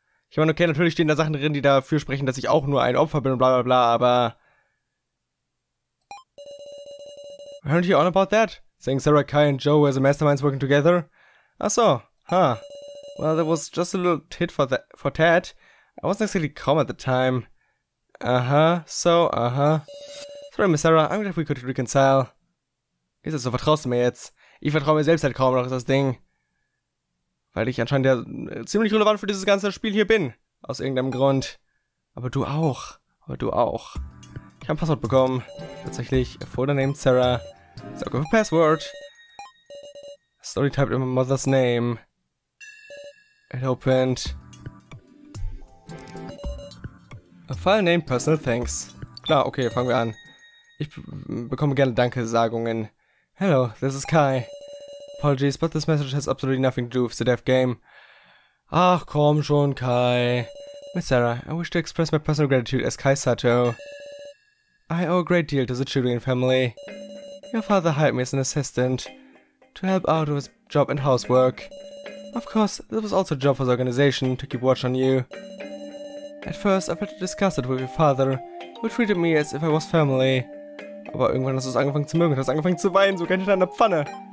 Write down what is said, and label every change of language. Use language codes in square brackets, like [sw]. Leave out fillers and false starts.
[de] Ich meine, okay, natürlich stehen da Sachen drin, die dafür sprechen, dass ich auch nur ein Opfer bin und bla bla bla, aber... [en] Weren't you on about that? Saying Sarah, Kai and Joe were the masterminds working together? Ach so, Well, there was just a little tit for tat. I wasn't exactly calm at the time. Sorry, Miss Sarah, I'm glad we could reconcile. [de] Ist das so, vertraust du mir jetzt? Ich vertraue mir selbst halt kaum noch, ist das Ding. Weil ich anscheinend ja ziemlich relevant für dieses ganze Spiel hier bin. Aus irgendeinem Grund. Aber du auch. Ich habe ein Passwort bekommen. Tatsächlich, [en] a folder named Sarah. It's okay for password. A story typed in my mother's name. It opened. A file named personal thanks. [de] Klar, okay, fangen wir an. Ich bekomme gerne Dankesagungen. [en] Hello, this is Kai. Apologies, but this message has absolutely nothing to do with the death game. [de] Ach, komm schon, Kai. [en] Miss Sarah, I wish to express my personal gratitude as Kai Sato. I owe a great deal to the Chirin family. Your father hired me as an assistant to help out with job and housework. Of course, this was also a job for the organization to keep watch on you. At first, I felt disgusted with your father, who treated me as if I was family. [de] Aber irgendwann hast du es angefangen zu mögen, hast du angefangen zu weinen, so kennt ihr deine Pfanne.